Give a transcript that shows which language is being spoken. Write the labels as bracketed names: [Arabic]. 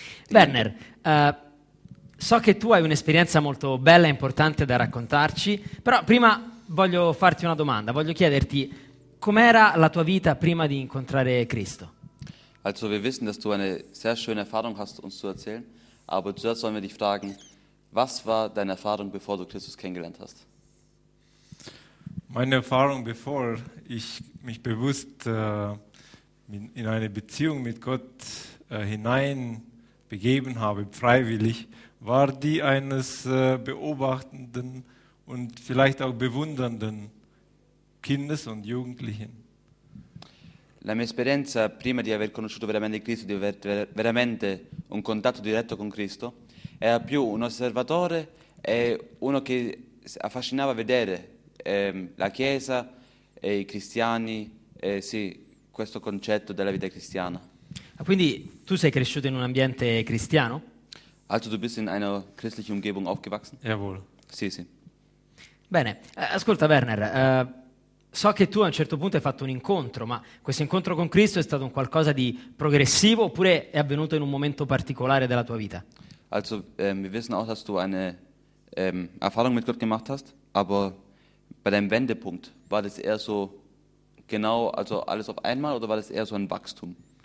[Italian] Werner, so che tu hai un'esperienza molto bella e importante da raccontarci, però prima voglio farti una domanda, voglio chiederti com'era la tua vita prima di incontrare Cristo? [German] Also wir wissen, dass du eine sehr schöne Erfahrung hast, uns zu erzählen, aber zuerst wollen wir dich fragen, was war deine Erfahrung, bevor du Christus kennengelernt hast? Meine Erfahrung, bevor ich mich bewusst in eine Beziehung mit Gott hinein begeben habe, freiwillig, war die eines beobachtenden und vielleicht auch bewundernden Kindes und Jugendlichen. [Italian] La mia esperienza prima di aver conosciuto veramente Cristo, di aver veramente un contatto diretto con Cristo, era più un osservatore e uno che affascinava vedere la Chiesa e i cristiani, sì, questo concetto della vita cristiana. Quindi tu sei cresciuto in un ambiente cristiano? [German] Also du bist in einer christlichen Umgebung aufgewachsen? Jawohl. [Italian] Sì, sì. Bene, ascolta Werner, so che tu a un certo punto hai fatto un incontro, ma questo incontro con Cristo è stato un qualcosa di progressivo oppure è avvenuto in un momento particolare della tua vita? [German] Also wir wissen auch, dass du eine Erfahrung mit Gott gemacht hast, aber bei deinem Wendepunkt, war das eher so genau, also alles auf einmal oder war das eher so ein Wachstum?